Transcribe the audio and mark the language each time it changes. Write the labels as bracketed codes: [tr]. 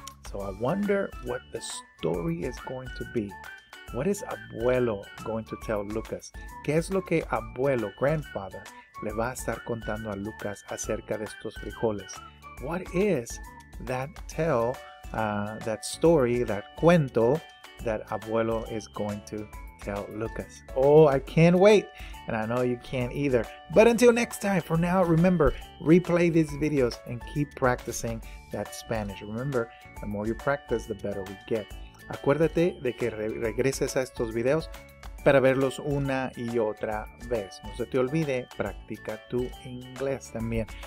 [en] So I wonder what the story is going to be. What is abuelo going to tell Lucas? [es] ¿Qué es lo que abuelo, grandfather, le va a estar contando a Lucas acerca de estos frijoles? [en] What is that tale, that story, that cuento that abuelo is going to tell Lucas? Oh, I can't wait. And I know you can't either. But until next time, for now, remember, replay these videos and keep practicing that Spanish. Remember, the more you practice, the better we get. [es] Acuérdate de que regreses a estos videos para verlos una y otra vez. No se te olvide, practica tu inglés también.